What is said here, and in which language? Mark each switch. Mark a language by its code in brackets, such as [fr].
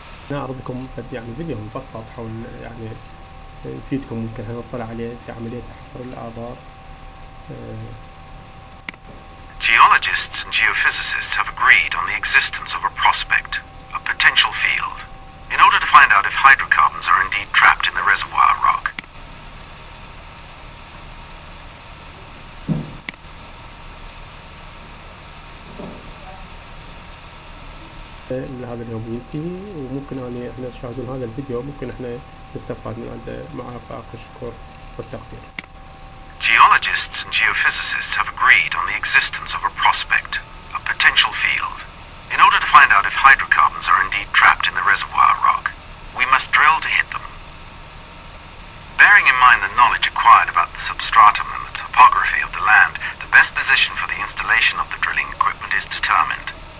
[ar] نعرضكم قد يعني فيديو مبسط حول يعني يفيدكم ممكن هنطلع عليه في عمليه حفر الابار. [en] Geologists and geophysicists have agreed on the existence of a prospect, a potential field, in order to find out if hydrocarbons are indeed trapped in the reservoir rock. [ar] هذا اليوم ينتهي، وممكن يعني احنا تشاهدون هذا الفيديو ممكن احنا نستفاد من عنده معافاك الشكر والتقدير. [en] Geologists and geophysicists have agreed on the existence of a prospect, a potential field. In order to find out if hydrocarbons are indeed trapped in the reservoir rock, we must drill to hit them. Bearing in mind the knowledge acquired about the substratum and the topography of the land, the best position for the installation of the drilling equipment is determined.